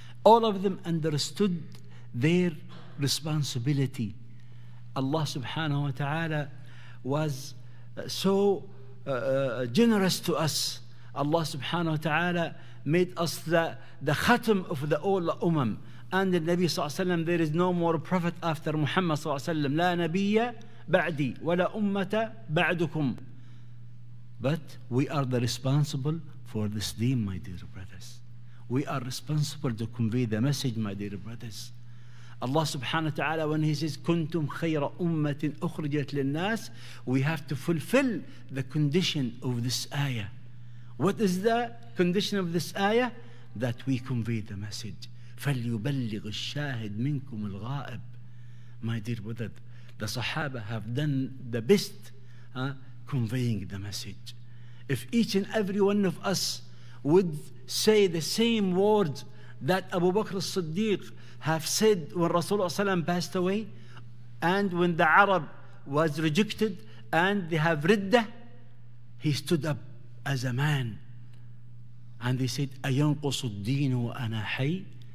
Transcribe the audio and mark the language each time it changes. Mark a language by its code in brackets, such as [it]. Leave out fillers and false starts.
[en] All of them understood their responsibility. Allah subhanahu wa ta'ala was so generous to us. Allah subhanahu wa ta'ala made us the khatam of the all umam. And the Nabi sallallahu alayhi wa sallam, there is no more prophet after Muhammad sallallahu alayhi wa sallam. [ar] لا نبي بعدي ولا أمة بعدكم. [en] But we are the responsible for this deen, my dear brothers. We are responsible to convey the message, my dear brothers. Allah subhanahu wa ta'ala, when He says, [ar] كنتم خير أمة أخرجت للناس, [en] we have to fulfill the condition of this ayah. What is the condition of this ayah? That we convey the message. [ar] فليبلغ الشاهد منكم الغائب. [en] My dear brother, the Sahaba have done the best conveying the message. If each and every one of us would say the same words that Abu Bakr al-Siddiq have said when Rasulullah ﷺ passed away, and when the Arab was rejected and they have riddah, he stood up as a man and they said, [ar] أَيَنْقُصُ الدِّينُ وَأَنَا حَيِّ.